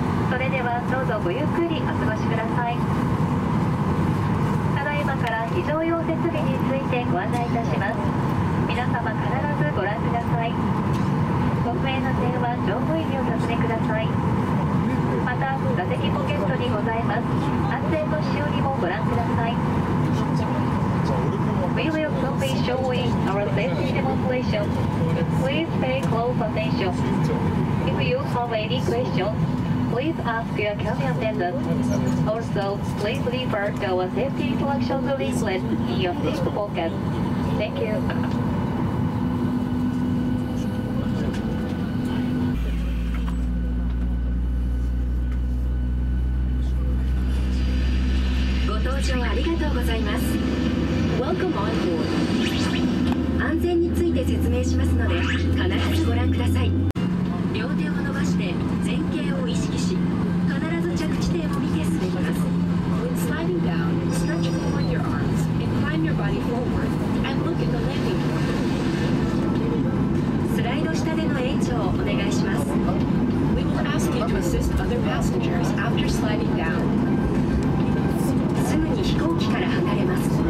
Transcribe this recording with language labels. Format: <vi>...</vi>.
<ja>それではどうぞごゆっくりお過ごしください。ただいまから非常用設備についてご案内いたします。皆様必ずご覧ください。ご不明な点は乗務員にお尋ねください。また座席ポケットにございます安全のしおりもご覧ください。</ja> <en>We will soon be showing our safety demonstration. Please pay close attention. If you have any questions, please ask your cabin attendant. Also, please refer to our safety instructions leaflet in your seat pocket. Thank you.</en> <ja>ご搭乗ありがとうございます。</ja> <en>Welcome on board.</en> <ja>安全について説明しますので必ずご覧ください。両手を伸ばして前傾を意識し、必ず着地点を見て滑ります。</ja> <en>When sliding down, stretch forward your arms and climb your body forward and look at the landing board.</en> <ja>スライド下での援助をお願いします。</ja> <en>We will ask you to assist other passengers after sliding down.</en> <ja>すぐに飛行機から離れます。</ja>